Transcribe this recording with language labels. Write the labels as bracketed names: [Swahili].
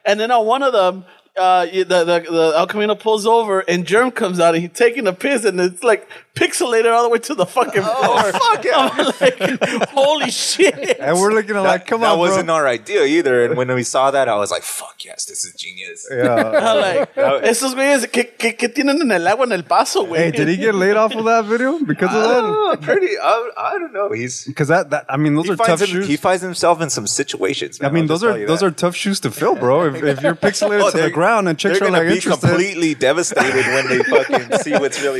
[English] And then on one of them, the El Camino pulls over and Jerm comes out and he's taking a piss and it's like pixelated all the way to the fucking floor. Oh, fuck yeah. I'm like, holy shit. And we're looking at like, come that on, that wasn't bro. Our idea either. And when we saw that, I was like, fuck yes, this is genius. Yeah. I'm like, [Spanish] esos güeyes, ¿qué tienen en el agua en el paso, güey? [English] Hey, did he get laid off of that video because of that? I don't know. He's because that those are tough shoes. He finds himself in some situations. Man. I mean, those are tough shoes to fill, bro. If you're pixelated to the ground and chicks are like interested. They're going to be completely devastated when they fucking see what's really